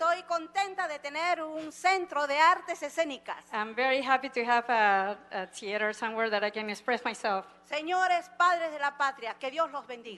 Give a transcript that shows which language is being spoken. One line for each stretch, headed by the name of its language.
Spanish: Estoy contenta de tener un centro de artes escénicas.
English: I'm very happy to have a theater somewhere that I can express myself.
Spanish: Señores padres de la patria, que Dios los bendiga.